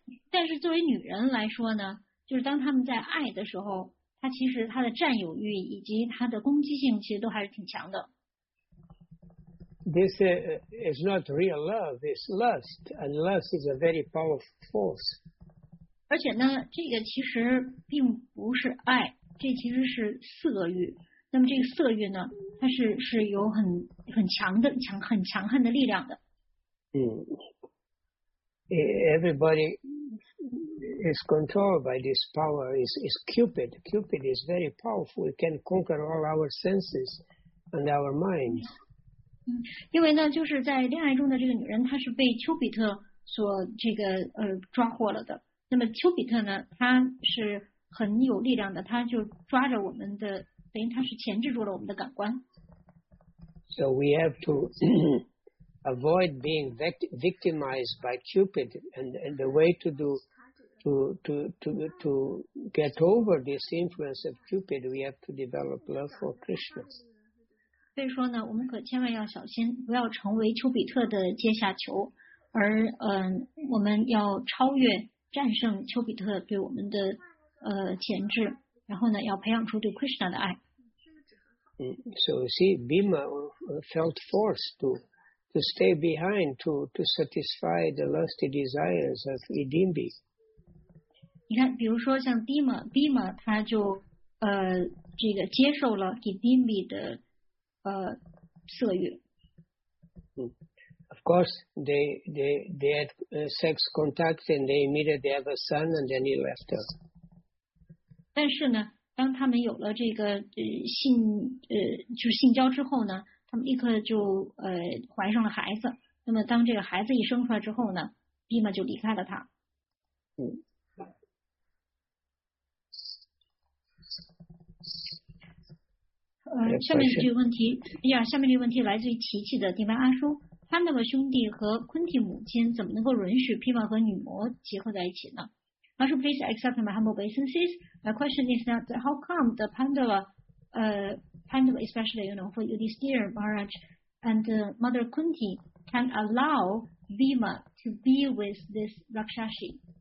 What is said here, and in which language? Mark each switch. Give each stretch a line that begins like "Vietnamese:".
Chinese: 但是作为女人来说呢，就是当他们在爱的时候，她其实她的占有欲以及她的攻击性其实都还是挺强的。
English: This is not real love, it's lust, and lust is a very powerful force.
Chinese: 而且呢，这个其实并不是爱，这其实是色欲。那么这个色欲呢，它是有很强悍的力量的。
English: Everybody is controlled by this power, is Cupid. Cupid is very powerful, it can conquer all our senses and our minds.
Chinese: 因为呢，就是在恋爱中的这个女人，她是被丘比特所这个抓获了的。那么丘比特呢，她是很有力量的，她就抓着我们的，等于她是钳制住了我们的感官。
English: So we have to avoid being victimized by Cupid, and the way to do to get over this influence of Cupid, we have to develop love for Krishna.
Chinese: 所以说呢，我们可千万要小心，不要成为丘比特的阶下囚，而我们要超越、战胜丘比特对我们的潜质，然后呢，要培养出对 Krishna 的爱。
English: So see, Bhima felt forced to stay behind to satisfy the lusty desires of Idimbi.
Chinese: 你看，比如说像 Bhima 他就这个接受了 Idimbi 的。色欲。
English: Of course, they had sex contact and they immediately have a son and then he left her.
Chinese: 但是呢，当他们有了这个就是性交之后呢，他们立刻就怀上了孩子。那么当这个孩子一生出来之后呢，毕马就离开了他。下面这个问题，下面这个问题来自于琪琪的迪巴阿叔，他那个兄弟和昆蒂母亲怎么能够允许皮马和女魔结合在一起呢？
English: 阿叔 ，please accept my humble obeisances. My question is that how come the Pandava, especially you know for Yudhisthira Maharaj and Mother Kunti can allow Bhima to be with this Rakshashi?